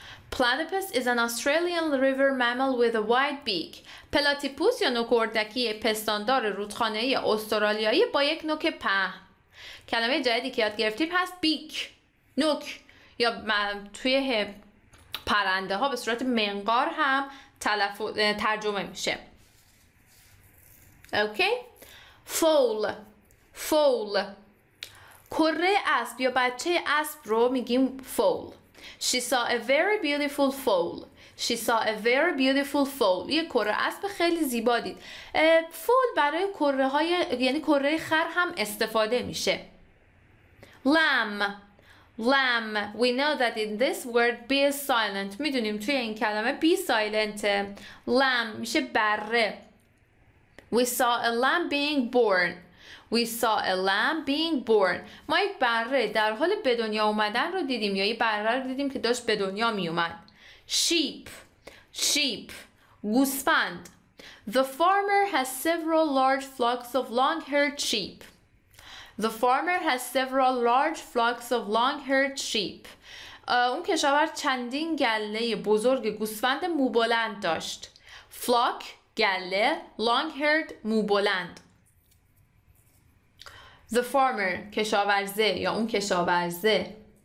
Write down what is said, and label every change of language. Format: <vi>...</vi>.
<en>Platypus is an Australian river mammal with a wide beak.</en> <fa>پلاتیپوس یا نوک اردکی پستاندار رودخانه استرالیایی با یک نوک پهن. کلمه جدیدی که یاد گرفتیم هست بیک. نوک یا توی پرنده ها به صورت منقار هم ترجمه میشه.</fa> <en>Okay. Foal. Foal.</en> <fa>کره اسب یا بچه اسب رو میگیم فول.</fa> <en>She saw a very beautiful foal. She saw a very beautiful foal.</en> <fa>یه کره اسب خیلی زیبا دید. فول برای کره های یعنی کره خر هم استفاده میشه.</fa> <en>Lamb. Lamb. We know that in this word be silent.</en> <fa>میدونیم توی این کلمه</fa> <en>be silent. Lamb</en> <fa>میشه بره.</fa> <en>We saw a lamb being born. We saw a lamb being born.</en> <fa>ما یک بره در حال به دنیا اومدن رو دیدیم یا یک بره رو دیدیم که داشت به دنیا می اومد.</fa> <en>Sheep. Sheep. گوسفند. The farmer has several large flocks of long-haired sheep. The farmer has several large flocks of long-haired sheep.</en> <fa>اون کشاورز چندین گله بزرگ گوسفند موبلند داشت. Flock گله، long-haired موبلند.</fa> <en>The farmer</en> <fa>کشاورزه یا اون کشاورزه.</fa>